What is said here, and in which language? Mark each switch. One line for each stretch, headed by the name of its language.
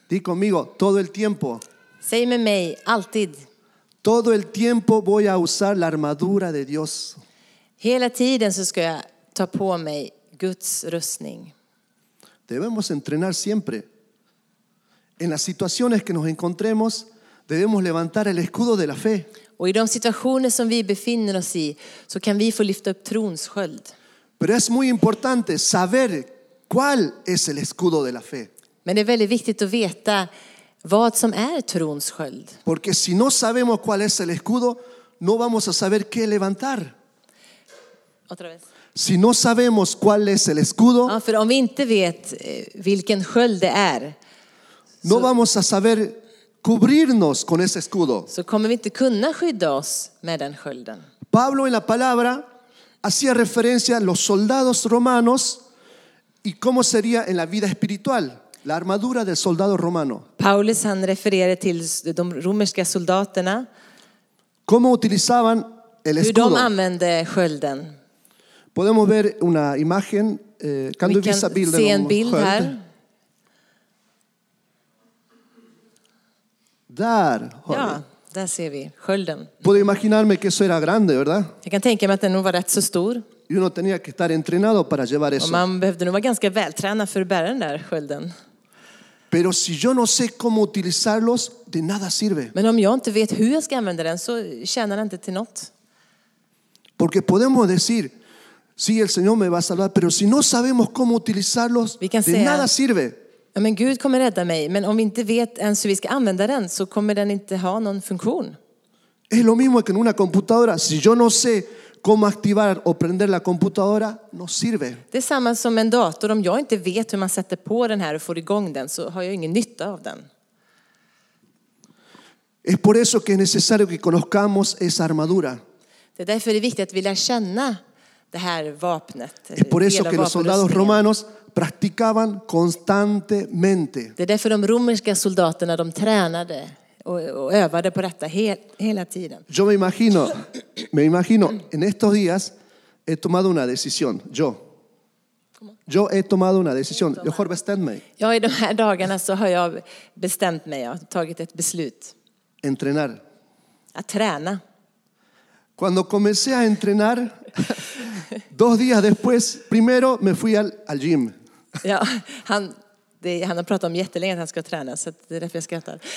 Spanish: Di conmigo, todo el tiempo.
Swedish: Säg med mig, alltid.
Spanish: Todo el tiempo voy a usar la armadura de Dios.
Swedish: Hela tiden så ska jag ta på mig Guds rustning.
Spanish: Debemos entrenar siempre. En las situaciones que nos encontremos, debemos levantar el escudo de la fe.
Swedish: Och i de situationer som vi befinner oss i, så kan vi få lyfta upp trons sköld.
Spanish: Pero es muy importante saber cuál es el escudo de la fe.
Swedish: Men det är väldigt viktigt att veta vad som är trons sköld.
Spanish: Porque si no sabemos cuál es el escudo, no vamos a saber qué levantar. Otra vez. Si no sabemos cuál es el escudo,
Swedish: ja, för om vi inte vet vilken sköld det är,
Spanish: No vamos a saber cubrirnos con ese escudo.
Swedish: Så kommer vi inte kunna skydda oss med den skölden.
Spanish: Pablo en la palabra hacía referencia a los soldados romanos y cómo sería en la vida espiritual la armadura del soldado romano.
Swedish: Paulus han refererade till de romerska soldaterna.
Spanish: ¿Cómo utilizaban el escudo?
Swedish: Hur de använde skölden.
Spanish: Podemos ver una imagen,
Swedish: kan du visa bilden om skölden? Bild här. Där har vi. Ja, där ser vi skölden.
Spanish: Puedo imaginarme que eso era grande, ¿verdad?
Swedish: Jag kan tänka mig att den nog var rätt så stor.
Spanish: Y uno tenía que estar entrenado para llevar eso.
Swedish: Och man behövde nog vara ganska vältränad för att bära den där skölden.
Spanish: Pero si yo no sé cómo utilizarlos, de nada sirve.
Swedish: Men om jag inte vet hur jag ska använda den så tjänar den inte till något.
Spanish: Porque podemos decir, sí, el Señor me va a salvar, pero si no sabemos cómo utilizarlos, de nada sirve.
Swedish: Ja, men Gud kommer rädda mig, men om vi inte vet ens hur vi ska använda den så kommer den inte ha någon funktion.
Spanish: Es lo mismo que en una computadora, si yo no sé cómo activar o prender la computadora, no sirve.
Swedish: Det är samma som en dator, om jag inte vet hur man sätter på den här och får igång den så har jag ingen nytta av den.
Spanish: Es por eso que es necesario que conozcamos esa armadura.
Swedish: Det är därför det är viktigt att vi lär känna det här vapnet.
Spanish: Es por eso que los soldados romanos practicaban constantemente.
Swedish: Det är därför de romerska soldaterna de tränade och övade på detta hela tiden.
Spanish: Yo me imagino en estos días he tomado una decisión. Yo he tomado una decisión.
Swedish: Jag har bestämt mig. Ja, i de här dagarna så har jag bestämt mig. Jag har tagit ett beslut.
Spanish: Entrenar.
Swedish: Att träna.
Spanish: Cuando comencé a entrenar dos días después, primero me fui al gym.
Swedish: Ja, han har pratat om jättelänge att han ska träna, så det är därför jag skrattar.